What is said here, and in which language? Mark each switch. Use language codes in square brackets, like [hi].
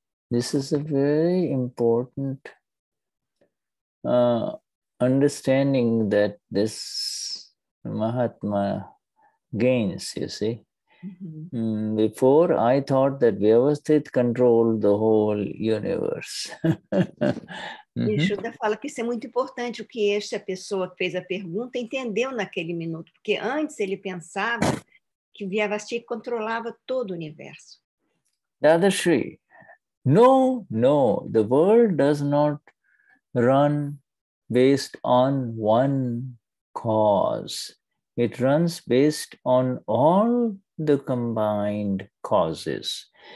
[en] This is a very important understanding that this Mahatma gains, you see. Mm-hmm. Before, I thought that Vyavasthit controlled the whole universe. Mm-hmm. [pt] E Shuddha fala que isso é muito importante, o que esta pessoa que fez a pergunta entendeu naquele minuto, porque antes ele pensava que Vyavasthit controlava todo o universo. [en] Dadashri, no, the world does not run based on one cause. It runs based on all the combined causes.